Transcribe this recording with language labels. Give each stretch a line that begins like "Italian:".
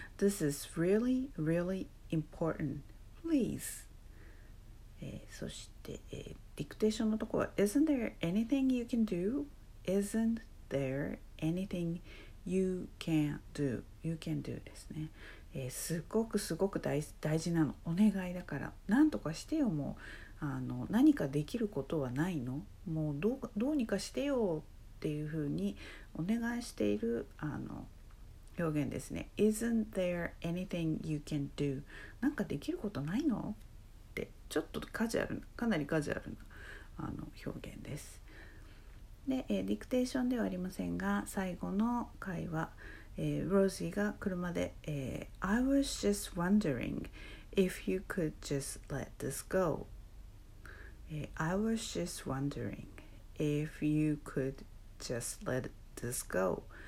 English: This is really, really important. Please.、そして、ディクテーションのところ Isn't there anything you can do? Isn't there anything you can do? You can do ですね。
Japanese: すごくすごく 大事なのお願いだから何とかしてよ。もう何かできることはないの、もう どうにかしてよっていうふうにお願いしている表現ですね。
English: Isn't there anything you can do?
Japanese: 何かできることないのってちょっとカジュアルな、かなりカジュアルな表現です。で、ディクテーションではありませんが最後の会話、ロジーが車で、
English: I was just wondering if you could just let this go. I was just wondering if you could just let this go.